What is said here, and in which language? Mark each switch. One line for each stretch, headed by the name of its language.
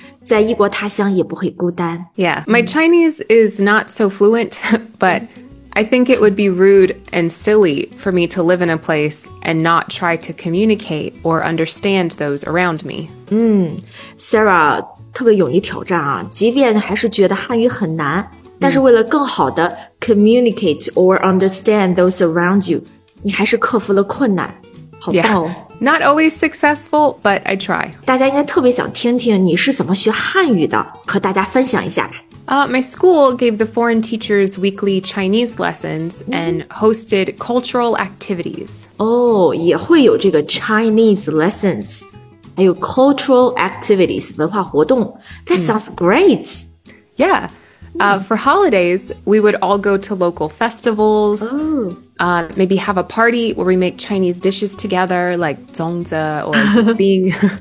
Chinese: 在异国他乡也不会孤单。
English: Yeah, my Chinese is not so fluent, but I think it would be rude and silly for me to live in a place and not try to communicate or understand those around me.
Chinese: Sarah, 特别勇于挑战啊，即便还是觉得汉语很难，但是为了更好的
English: communicate or understand those around you,
Chinese: 你还是克服了困难。好棒哦。
English: Yeah. Not always successful, but I try.
Chinese: 大家应该特别想听听你是怎么学汉语的，和大家分享一下吧。
English: My school gave the foreign teachers weekly Chinese lessons and hosted cultural activities.
Chinese: Oh, 也会有这个
English: Chinese lessons,
Chinese: 还有
English: cultural activities,
Chinese: 文化活动。
English: That sounds great. Yeah. For holidays, we would all go to local festivals, maybe have a party where we make Chinese dishes together, like zongzi or bing.